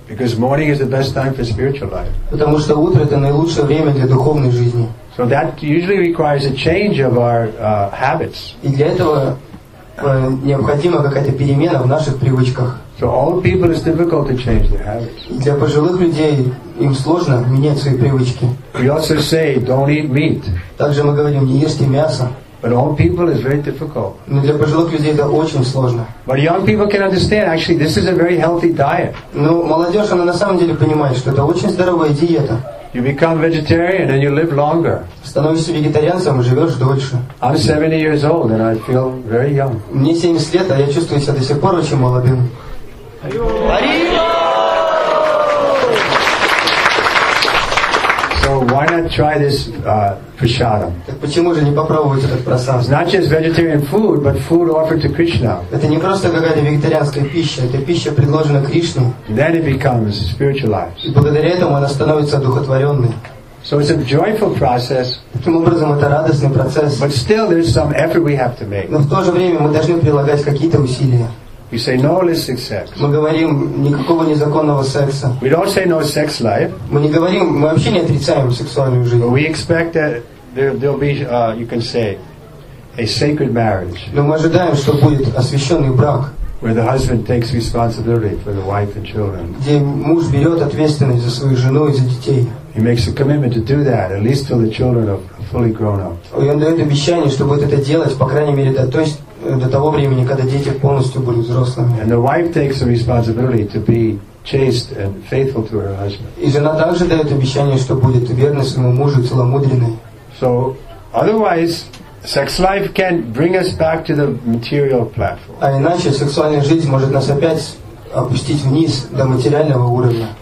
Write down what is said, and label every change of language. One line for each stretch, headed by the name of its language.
English: Because morning is the best time for spiritual life.
Russian: Потому что утро это наилучшее время для духовной жизни.
English: So that usually requires a change of our habits.
Russian: И для этого необходима какая-то перемена в наших привычках.
English: So old people, it's difficult to change their habits.
Russian: Для пожилых людей им сложно менять свои привычки.
English: We also say, don't eat meat.
Russian: Также мы говорим, не ешьте мясо.
English: But old people, it's very difficult.
Russian: Но для пожилых людей это очень сложно.
English: But young people can understand, actually, this is a very healthy diet.
Russian: Но молодежь, она на самом деле понимает, что это очень здоровая диета.
English: You become vegetarian and you live longer.
Russian: Становишься вегетарианцем и живешь дольше.
English: I'm 70 years old and I feel very young.
Russian: Мне 70 лет, а я чувствую себя до сих пор очень молодым.
English: So why not try this prasadam?
Russian: Так почему же не попробовать этот прасад?
English: It's not just vegetarian food, but food offered to Krishna.
Russian: Это не просто какая-то вегетарианская пища, это пища предложена Кришне.
English: Then it becomes spiritualized.
Russian: И благодаря этому она становится духотворенной.
English: So it's a joyful process.
Russian: Таким образом, это радостный процесс.
English: But still, there's some effort we have to make.
Russian: Но в то же время мы должны прилагать какие-то усилия.
English: We say no illicit sex.
Russian: Мы говорим никакого незаконного секса.
English: We don't say no sex life.
Russian: Мы не говорим, мы вообще не отрицаем сексуальную жизнь.
English: But we expect that there'll be, you can say, a sacred marriage.
Russian: Но мы ожидаем, что будет освященный брак.
English: Where the husband takes responsibility for the wife and children.
Russian: Где муж берет ответственность за свою жену и за детей.
English: He makes a commitment to do that, at least till the children are fully grown up.
Russian: И он дает обещание, что будет это делать, по крайней мере, до того времени, когда дети полностью будут взрослыми.
English: And the wife takes the responsibility to be chaste and faithful to her husband.
Russian: И жена также дает обещание, что будет верной своему мужу, целомудренной.
English: So, otherwise, sex life can bring us back to the material platform.
Russian: А иначе сексуальная жизнь может нас опять опустить вниз до материального уровня.